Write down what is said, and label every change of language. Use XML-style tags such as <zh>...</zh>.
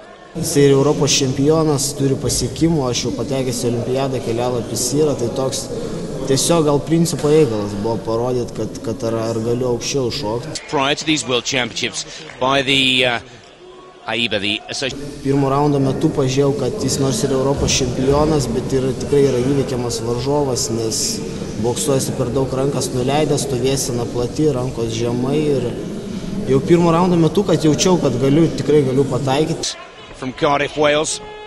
<lt>Tai ir Europos čempionas, turi pasiekimų, aš jau patekęs į olimpiadą, kelialapis yra, tai toks tiesiog gal principo reikalas buvo parodyti, kad ar galiu aukščiau šokti.</lt> <en>Prior to these world championships by the AIBA, the association.</en> <lt>Pirmo raundo metu pažiūrėjau, kad jis nors ir Europos čempionas, bet ir tikrai yra įveikiamas varžovas, nes boksuojasi per daug rankas nuleidęs, stovėsena plati, rankos žemai, ir jau pirmo raundo metu, kad jaučiau, kad galiu, tikrai galiu pataikyti.</lt> <en>From Cardiff, Wales.</en>